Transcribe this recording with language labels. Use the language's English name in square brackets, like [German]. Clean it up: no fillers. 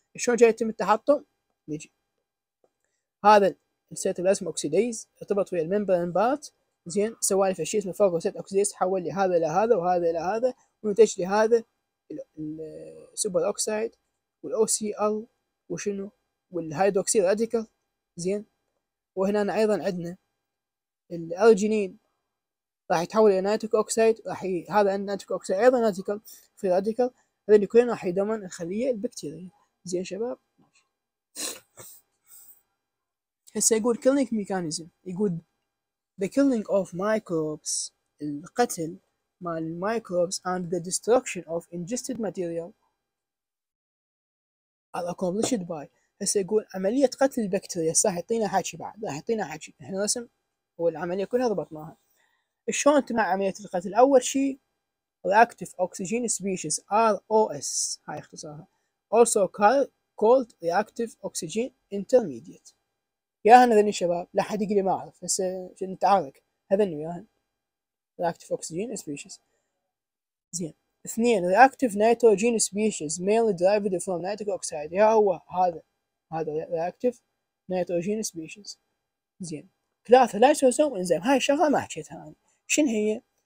[Arabic] شلون جاي يتم التحطم؟ نجي هذا نسيت الاسم اوكسيديز ارتبط ويا الممبرين بات زين، سوالف الشيء اسمه فاجوسايت اوكسيديز، حول لي هذا الى هذا وهذا الى هذا، ونتج لي هذا السوبر اوكسايد والاو سي ال وشنو والهيدروكسيد راديكال زين. وهنا ايضا عندنا الارجينين راح يتحول الى نايتريك اوكسايد، راح هذا النايتريك اوكسايد ايضا راديكال في راديكال، هذول كلهم راح يدمن الخليه البكتيريه زين شباب. هسه يقول كيلينج ميكانيزم، يقول [English] the killing of microbes، [Arabic] القتل مال [English] microbes and the destruction of ingested material are accomplished by. [Arabic] هسه يقول عملية قتل البكتيريا، صح يعطينا حكي بعد، راح يعطينا حكي احنا رسم والعملية كلها ضبطناها. شلون تم عملية القتل؟ أول شيء [English] reactive oxygen species ROS، [Arabic] هاي اختصارها [English] also called reactive oxygen intermediate. [Arabic] يا هن هذني شباب لا حد يقلي ما اعرف هسه نتعارك هذني يا هن [English] reactive oxygen species [Arabic] زين. [English] اثنين reactive nitrogen species mainly derived from nitric oxide، [Arabic] يا هو هذا [English] reactive nitrogen species زين. [Arabic] ثلاثة لايسوزوم انزيم، هاي الشغلة ما حكيتها انا شن هي.